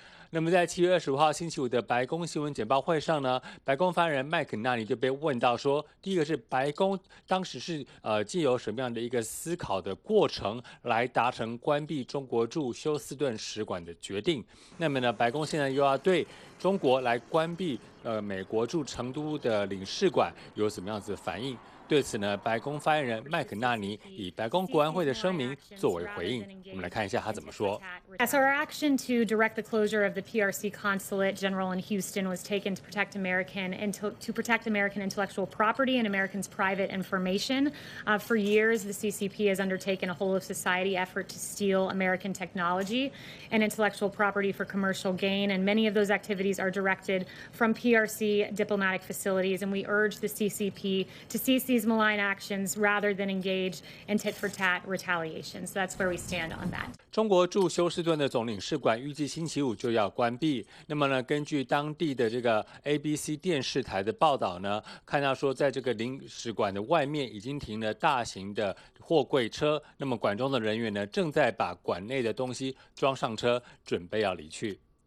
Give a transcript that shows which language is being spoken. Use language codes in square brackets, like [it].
[zh] 那么在7月25号星期五的白宫新闻简报会上呢，白宫发言人麦肯纳尼就被问到说，第一个是白宫当时是藉由什么样的一个思考的过程来达成关闭中国驻休斯顿使馆的决定。那么呢，白宫现在又要对中国来关闭美国驻成都的领事馆有什么样子的反应。对此呢，白宫发言人麦肯纳尼以白宫国安会的声明作为回应。我们来看一下他怎么说。 [en] As our action to direct the closure of the PRC consulate general in Houston was taken to protect American and to protect American intellectual property and Americans' private information. For years, the CCP has undertaken a whole of society effort to steal American technology and intellectual property for commercial gain, and many of those activities are directed from PRC diplomatic facilities. And we urge the CCP to cease. These malign actions rather than engage in tit for tat retaliation. So that's where we stand on that. [zh] 中国驻休斯顿的总领事馆预计星期五就要关闭。那么呢，根据当地的这个 ABC 电视台的报道呢，看到说在这个领事馆的外面已经停了大型的货柜车。那么馆中的人员呢，正在把馆内的东西装上车，准备要离去。